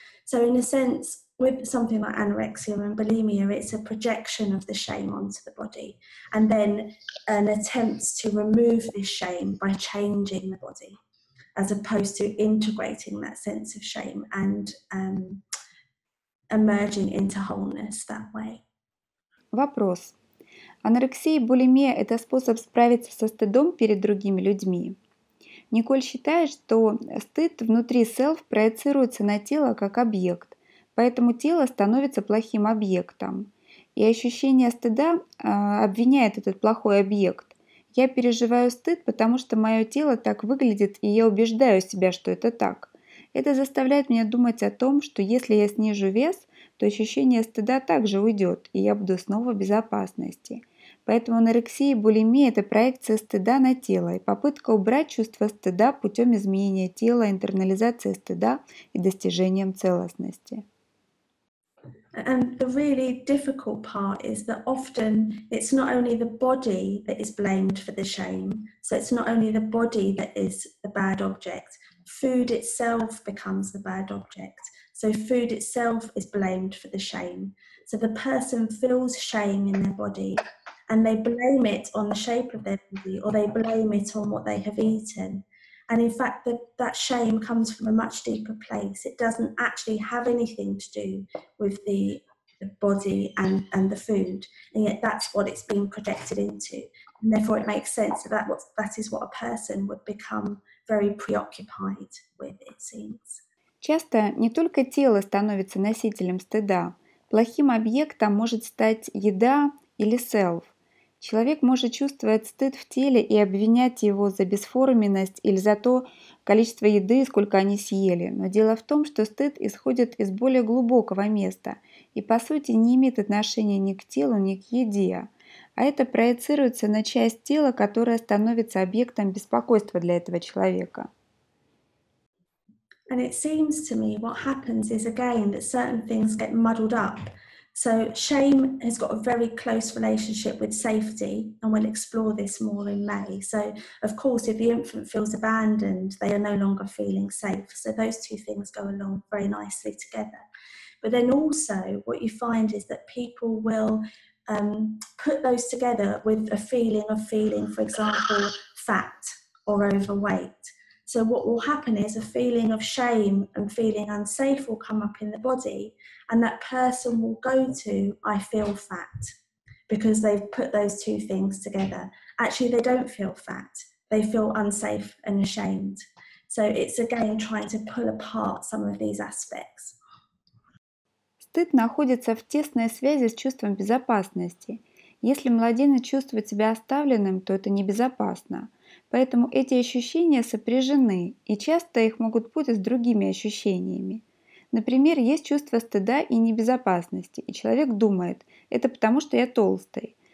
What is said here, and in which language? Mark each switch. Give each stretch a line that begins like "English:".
English: So in a sense, with something like anorexia and bulimia, it's a projection of the shame onto the body, and then an attempt to remove this shame by changing the body, as opposed to integrating that sense of shame and emerging into wholeness that way.
Russian: Вопрос. Анорексия и булимия – это способ справиться со стыдом перед другими людьми? Николь считает, что стыд внутри self проецируется на тело как объект, поэтому тело становится плохим объектом. И ощущение стыда обвиняет этот плохой объект. Я переживаю стыд, потому что мое тело так выглядит, и я убеждаю себя, что это так. Это заставляет меня думать о том, что если я снижу вес, то ощущение стыда также уйдет, и я буду снова в безопасности. Поэтому анорексия и булимия – это проекция стыда на тело и попытка убрать чувство стыда путем изменения тела, интернализации стыда и достижением целостности.
English: And the really difficult part is that often it's not only the body that is blamed for the shame. So it's not only the body that is the bad object. Food itself becomes the bad object. So food itself is blamed for the shame. So the person feels shame in their body and they blame it on the shape of their body or they blame it on what they have eaten. And in fact, that shame comes from a much deeper place. It doesn't actually have anything to do with the body and the food. And yet that's what it's being projected into. And therefore it makes sense that that is what a person would become very preoccupied with, it seems.
Russian: Часто не только тело становится носителем стыда. Плохим объектом может стать еда или self. Человек может чувствовать стыд в теле и обвинять его за бесформенность или за то количество еды, сколько они съели. Но дело в том, что стыд исходит из более глубокого места и, по сути, не имеет отношения ни к телу, ни к еде. А это проецируется на часть тела, которая становится объектом беспокойства для этого человека.
English: And it seems to me what happens is again that certain things get muddled up. So shame has got a very close relationship with safety, and we'll explore this more in May. So of course, if the infant feels abandoned, they are no longer feeling safe. So those two things go along very nicely together. But then also what you find is that people will put those together with a feeling of feeling, for example, fat or overweight. So what will happen is a feeling of shame and feeling unsafe will come up in the body and that person will go to, I feel fat, because they've put those two things together. Actually, they don't feel fat. They feel unsafe and ashamed. So it's again trying to pull apart some of these aspects.
Russian: Стыд находится в тесной связи с чувством безопасности. Если младенец чувствует себя оставленным, то это небезопасно. Поэтому эти ощущения сопряжены, и часто их могут путать с другими ощущениями. Например, есть чувство стыда и небезопасности, и человек думает, это потому что я толстый.